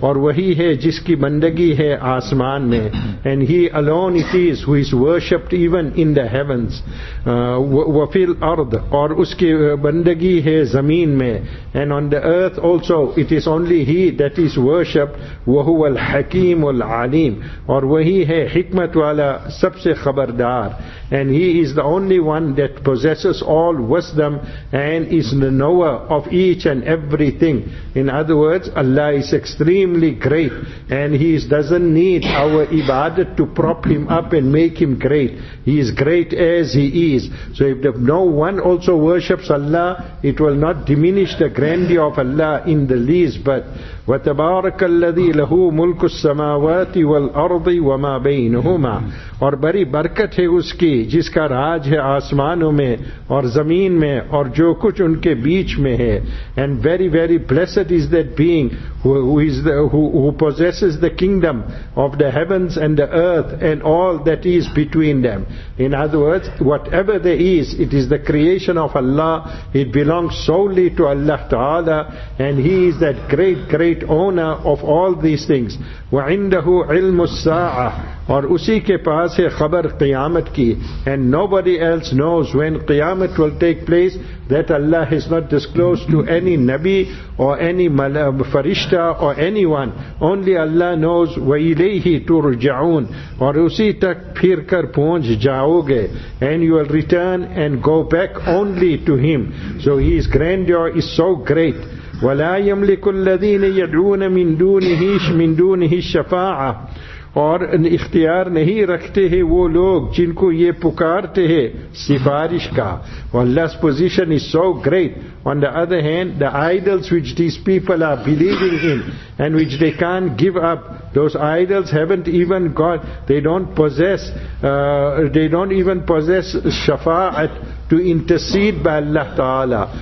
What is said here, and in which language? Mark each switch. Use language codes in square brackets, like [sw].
[ur] اور وہی ہے جس کی بندگی ہے آسمان میں. [en] And he alone it is who is worshipped even in the heavens. [ar] وَفِي الْأَرْضِ. [ur] اور اس کی بندگی ہے زمین میں. [en] And on the earth also it is only he that is worshipped. [ar] وَهُوَ الْحَكِيمُ الْعَلِيمُ. [ur] اور وہی ہے حکمت والا سب سے خبردار. [en] And he is the only one that possesses all wisdom and is the knower of each and everything. In other words, Allah is extremely great and he doesn't need our ibadat to prop him up and make him great. He is great as he is. So if no one also worships Allah, it will not diminish the grandeur of Allah in the least. [ar] But وَتَبَارَكَ الَّذِي لَهُ مُلْكُ السَّمَاوَاتِ وَالْأَرْضِ وَمَا بَيْنُهُمَا. [ur] اور بری برکت ہے اس کی جس کا راج ہے آسمانوں میں اور زمین میں اور جو کچھ ان کے بیچ میں ہے. [en] And very very blessed is that being who possesses the kingdom of the heavens and the earth and all that is between them. In other words, whatever there is, it is the creation of Allah. It belongs solely to Allah Ta'ala, and he is that great, great owner of all these things. [ar] وَعِنْدَهُ عِلْمُ السَّاعَةِ. [ur] اور اسی کے پاس ہے خبر قیامت کی. [en] And nobody else knows when قیامت will take place. That Allah has not disclosed to any Nabi or any Farishta or anyone. Only Allah knows. [ar] وَإِلَيْهِ تُرْجَعُونَ. [ur] اور اسی تک پھر کر پہنچ جاؤ گے. [en] And you will return and go back only to him. So his grandeur is so great. [ar] وَلَا يَمْلِكُ الَّذِينَ يَدْعُونَ مِن دُونِهِ الشَّفَاعَةَ. [ur] اور اختیار نہیں رکھتے ہیں وہ لوگ جن کو یہ پکارتے ہیں سفارش کا. [en] Allah's position is so great. On the other hand, the idols which these people are believing in and which they can't give up, those idols haven't even got, they don't even possess shafa'at to intercede by Allah Ta'ala.